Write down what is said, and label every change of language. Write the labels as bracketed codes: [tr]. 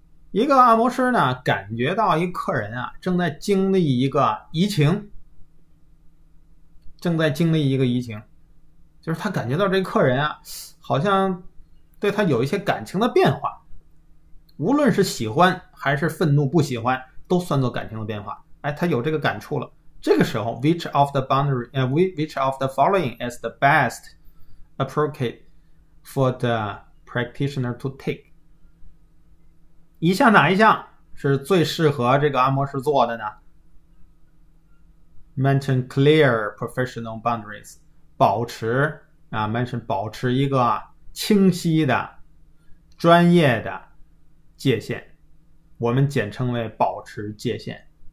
[zh] 一个按摩师呢，感觉到一客人啊，正在经历一个移情。正在经历一个移情，就是他感觉到这客人啊，好像对他有一些感情的变化，无论是喜欢还是愤怒、不喜欢，都算作感情的变化。哎，他有这个感触了。这个时候， [en] which of the boundary，which of the following is the best appropriate for the practitioner to take？ [zh] 以下哪一项是最适合这个按摩师做的呢？ [en] Maintain clear professional boundaries， [zh] 保持啊，maintain 保持一个清晰的、专业的界限，我们简称为保持界限。